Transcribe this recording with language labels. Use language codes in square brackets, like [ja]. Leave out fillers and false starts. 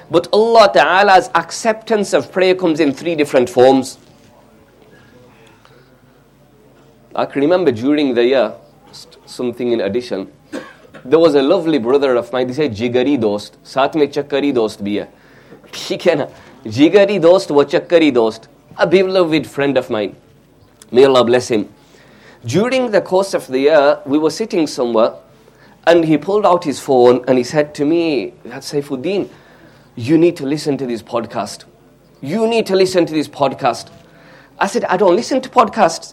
[en] But Allah Ta'ala's acceptance of prayer comes in three different forms. I can remember during the year, something in addition, there was a lovely brother of mine, he said, [hi] Jigari dost, saath mein chakkari dost bhi hai. ठीक है ना? जिगरी दोस्त व चक्करी दोस्त। [en] A beloved friend of mine. May Allah bless him. During the course of the year, we were sitting somewhere and he pulled out his phone and he said to me, Saifuddin, you need to listen to this podcast. You need to listen to this podcast. I said, I don't listen to podcasts.